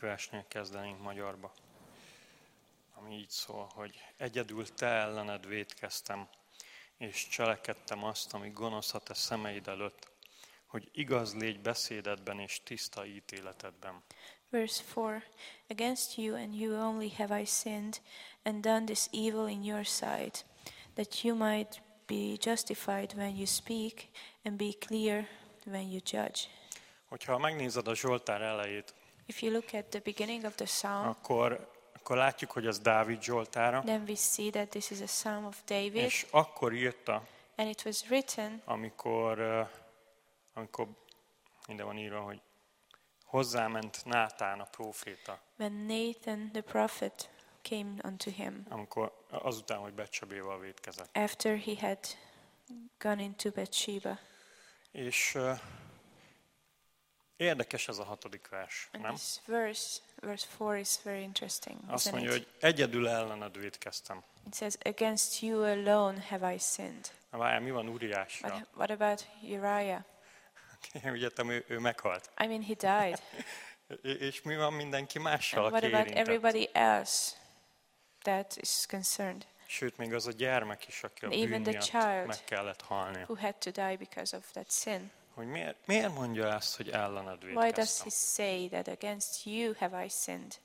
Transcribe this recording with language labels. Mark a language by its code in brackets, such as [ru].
[hu] versnél kezdenénk magyarba, ami így szól, hogy egyedül te ellened vétkeztem, és cselekedtem azt, ami gonosz a te szemeid előtt, hogy igaz légy beszédedben és tiszta ítéletedben. [en] Verse 4. Against you and you only have I sinned and done this evil in your sight, that you might be justified when you speak and be clear when you judge. [hu] Hogyha megnézed a Zsoltár elejét, [en] if you look at the beginning of the psalm, [hu] akkor látjuk, hogy ez Dávid Zsoltára. [en] Then we see that this is a psalm of David. [hu] És akkor írta, [en] and it was written, [hu] amikor minden van írva, hogy hozzáment Nátán a próféta. [en] When Nathan the prophet came unto him. [hu] Amikor azután, hogy Betsabéval vétkezett. [en] After he had gone into Bathsheba. [hu] És érdekes ez a hatodik vers, [en] and [hu] nem? [en] This verse 4 is very interesting. [hu] Azt mondja, hogy egyedül ellened vétkeztem. [en] It says against you alone have I sinned. [hu] Na, várjál, mi van Uriásra? [en] What about Uriah? [hu] Ugye, ő meghalt. [en] I mean he died. [hu] És mi van mindenki mással, aki érintett? [en] What about everybody else that is concerned? [hu] Sőt, még az a gyermek is, aki a bűn miatt meg kellett halni. [en] Who had to die because of that sin? [hu] Hogy miért mondja ezt, hogy ellened vétkeztem? [en] Why does he say that against you have I sinned?